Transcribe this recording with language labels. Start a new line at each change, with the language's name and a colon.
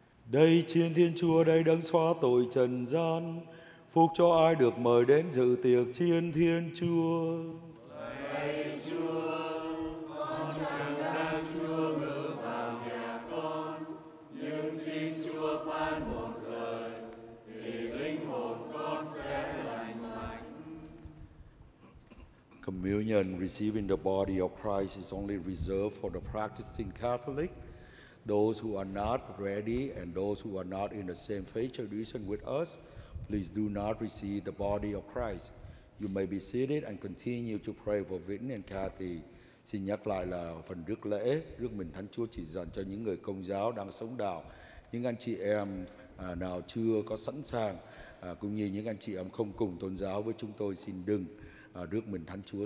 Vietnamese: Đây trên Thiên Chúa, đây đấng xóa tội trần gian, phúc cho ai được mời đến dự tiệc trên Thiên Chúa. Lạy Chúa, con chẳng đáng Chúa ngự vào nhà con, nhưng xin Chúa phán một lời, thì linh hồn con sẽ lành mạnh.
English: Communion received in the body of Christ is only reserved for the practicing Catholic, those who are not ready and those who are not in the same faith tradition with us. Please do not receive the body of Christ. You may be seated and continue to pray for Vinh and Kathy.
Vietnamese: Xin nhắc lại là phần rước lễ, rước mình Thánh Chúa chỉ dành cho những người Công giáo đang sống đạo. Những anh chị em nào chưa có sẵn sàng, cũng như những anh chị em không cùng tôn giáo với chúng tôi, xin đừng rước mình Thánh Chúa.